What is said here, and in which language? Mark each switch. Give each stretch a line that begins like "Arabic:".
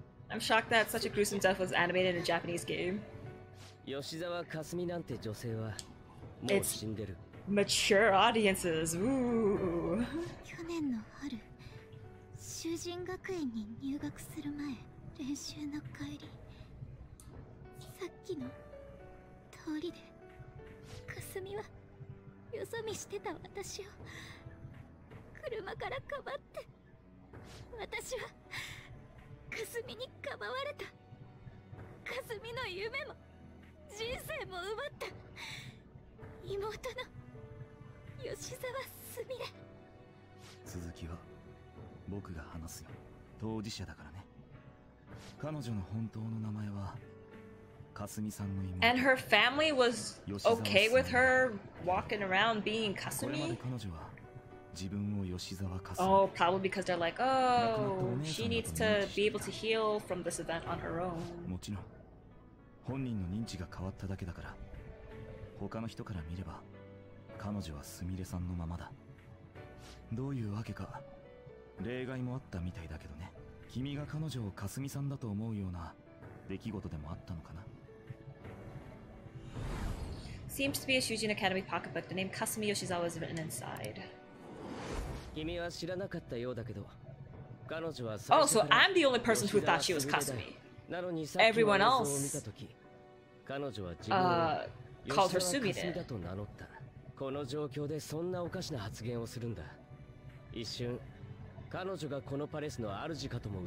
English: I'm shocked that such a gruesome death was animated in a Japanese game.
Japanese: 吉沢かすみなんて女性はもう死んでる。
English: Mature audiences. Ooh.
Japanese: 去年の春、囚人学園に入学する前、練習の帰り、さっきの通りで、かすみはよそ見してた私を車からかばって、私はかすみにかばわれた。かすみの夢も人生も奪った。妹の吉沢すみれ。続きは僕が話すよ。当事者だからね。彼女の本当の名前はかすみさんの妹。
English: And her family was okay with her walking around being かすみ。
Japanese: これまで彼女は自分を吉沢かすみ。
English: Oh, probably because they're like, oh, she needs to be able to heal from this event on her own.
Japanese: もちろん本人の認知が変わっただけだから、他の人から見れば。彼女はスミレさんのままだ。どういうわけか例外もあったみたいだけどね。君が彼女をカスミさんだと思うような出来事でもあったのかな。
English: Seems to be a Shujin Academy pocketbook. The name Kasumi Yoshizawa is written inside.
Japanese: 君は知らなかったようだけど、彼女は最初から。
English: Oh, so I'm the only person who thought she was Kasumi.
Japanese: なのにさっきの映像を見た時、彼女は自分を吉沢カスミだと名乗った。この状況でそんなおかしな発言をするんだ。一瞬、彼女がこのパレスの主かとも疑